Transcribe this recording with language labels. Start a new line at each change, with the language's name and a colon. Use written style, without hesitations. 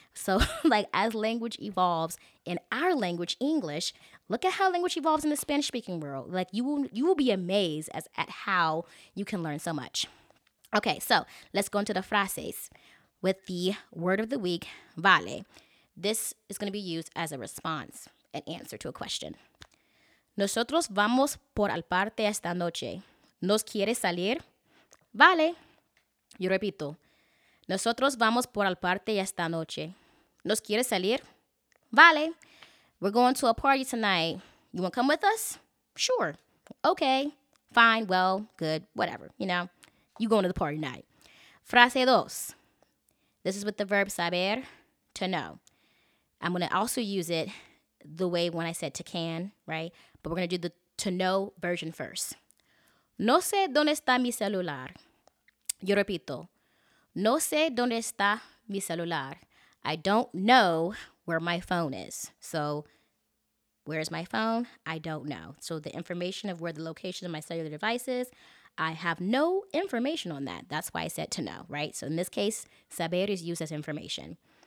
English: So, like, as language evolves in our language, English, look at how language evolves in the Spanish-speaking world. Like, you will be amazed at how you can learn so much. Okay, so let's go into the frases with the word of the week, vale. This is going to be used as a response, an answer to a question.
Spanish: Nosotros vamos por al parte esta noche. ¿Nos quieres salir? Vale. Yo repito. Nosotros vamos por el party esta noche. ¿Nos quieres salir? Vale.
English: We're going to a party tonight. You want to come with us? Sure. Okay. Fine. Well, good. Whatever. You know, you going to the party tonight.
Spanish: Frase dos.
English: This is with the verb saber, to know. I'm going to also use it the way when I said to can, right? But we're going to do the to know version first.
Spanish: No sé dónde está mi celular. Yo repito. No sé dónde está mi celular.
English: I don't know where my phone is. So where is my phone? I don't know. So the information of where the location of my cellular device is, I have no information on that. That's why I said to know, right? So in this case, saber is used as information.